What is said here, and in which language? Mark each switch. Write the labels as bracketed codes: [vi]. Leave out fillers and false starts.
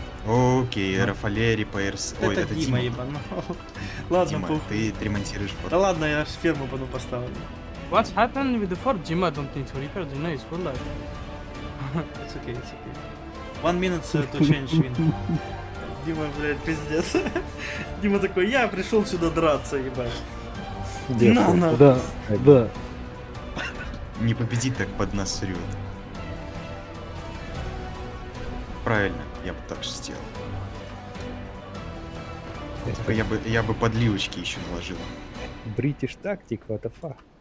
[ru] Окей, ну, Рафалери, Пайерс... Это, ой, это Дима ебанул. Ладно, Дима, ты ремонтируешь форт. Да ладно, я ферму потом поставлю. [en] What's happened with the fort, Дима? Don't need to repair, you know, it's for life. It's okay, it's okay. 1 minute, sir, to change wind. [ru] Дима, блядь, пиздец. Дима такой, я пришел сюда драться, ебать. Дима, на. Да, да. Не победит, так поднасрет. Правильно. Я бы так же сделал. Я бы подливочки еще наложил. [en] British tactic, what the fuck?